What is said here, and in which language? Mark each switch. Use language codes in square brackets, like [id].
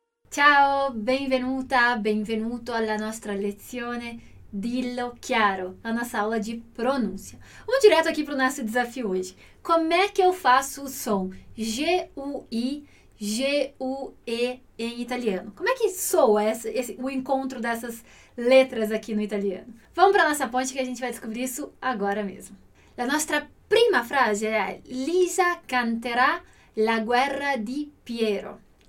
[it] Ciao, benvenuta, benvenuto alla nostra lezione Dillo Chiaro, [pt] la nossa aula de pronúncia. Vamos direto aqui para o nosso desafio hoje. Como é que eu faço o som G-U-I, G-U-E em italiano? Como é que soa o encontro dessas letras aqui no italiano? Vamos para a nossa ponte que a gente vai descobrir isso agora mesmo. [it] A nostra prima frase é Lisa canterà la guerra di Piero.